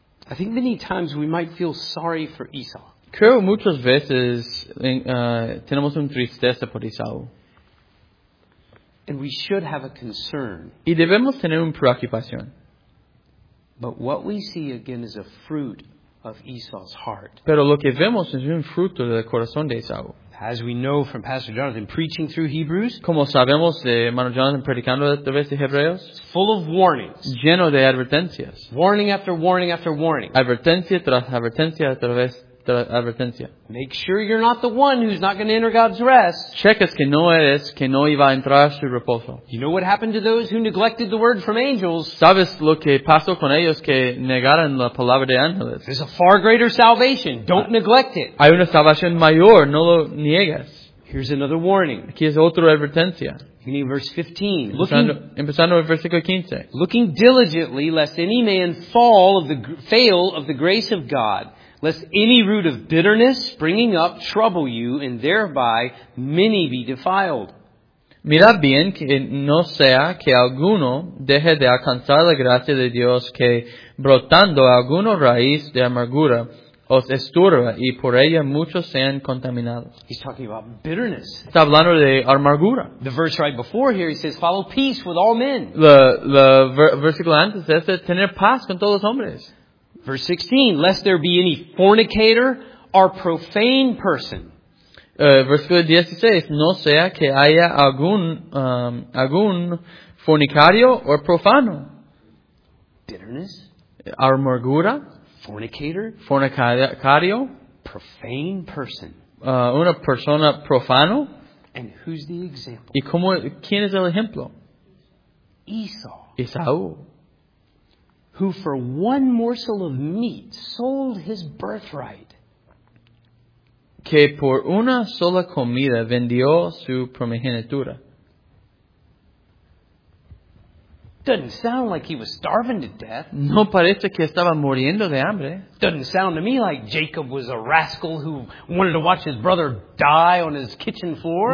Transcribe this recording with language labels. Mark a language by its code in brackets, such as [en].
[en] I think many times we might feel sorry for Esau. [es] Creo muchas veces tenemos una tristeza por Esau. [en] And we should have a concern. [es] Y debemos tener una preocupación. [en] But what we see again is a fruit of Esau's heart. [es] Pero lo que vemos es un fruto del corazón de Esau. [en] As we know from Pastor Jonathan preaching through Hebrews, [es] como sabemos de hermano Jonathan predicando a través de Hebreos, [en] full of warnings, [es] lleno de advertencias, [en] warning after warning after warning, [es] advertencia tras advertencia tras advertencia. [en] Make sure you're not the one who's not going to enter God's rest. [es] Checas que no eres que no iba a entrar a su reposo. [en] You know what happened to those who neglected the word from angels? [es] Sabes lo que pasó con ellos que negaron la palabra de ángeles. [en] There's a far greater salvation. Don't neglect it. [es] Hay una salvación mayor. No lo niegues. [en] Here's another warning. [es] Aquí es otra advertencia. [en] Beginning in verse 15. [es] Empezando en versículo 15. [en] Looking diligently lest any man fail of the grace of God. Lest any root of bitterness springing up trouble you, and thereby many be defiled. [es] Mirad bien que no sea que alguno deje de alcanzar la gracia de Dios, que brotando alguna raíz de amargura os estorba, y por ella muchos sean contaminados. [en] He's talking about bitterness. [es] Está hablando de amargura. [en] The verse right before here, he says, follow peace with all men. [es] Versículo antes es tener paz con todos los hombres. [en] Verse 16, lest there be any fornicator or profane person. [es] Versículo 16, no sea que haya algún fornicario o profano. [en] Bitterness. [es] Amargura. [en] Fornicator. [es] Fornicario. [en] Profane person. [es] Una persona profano. [en] And who's the example? [es] ¿Y cómo, quién es el ejemplo? [en] Esau. [es] Esau. [en] Who for one morsel of meat sold his birthright. [es] Que por una sola comida vendió su primogenitura. [en] Doesn't sound like he was starving to death. [es] No parece que estaba muriendo de hambre. [en] Doesn't sound to me like Jacob was a rascal who wanted to watch his brother die on his kitchen floor.